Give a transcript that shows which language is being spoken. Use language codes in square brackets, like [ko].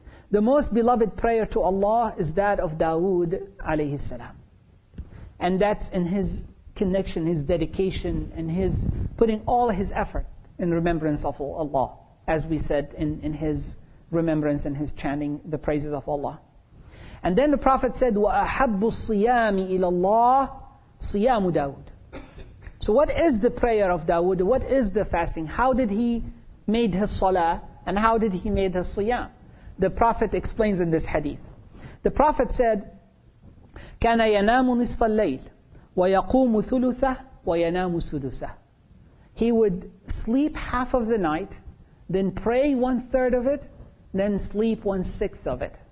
[en] The most beloved prayer to Allah is that of Dawood alayhi salam. And that's in his connection, his dedication, and his putting all his effort in remembrance of Allah, as we said in his remembrance and his chanting the praises of Allah. And then the Prophet said, [ar] وَأَحَبُّ الصِّيَامِ إِلَى اللَّهِ صِيَامُ دَاوُدَ. [en] So what is the prayer of Dawood? What is the fasting? How did he made his salah? And how did he made his siyam? The Prophet explains in this hadith. The Prophet said, [ar] كَانَ يَنَامُ نِصْفَ اللَّيْلِ وَيَقُومُ ثُلُثَهُ وَيَنَامُ سُدُسَهُ. [en] He would sleep half of the night, then pray one third of it, then sleep one sixth of it.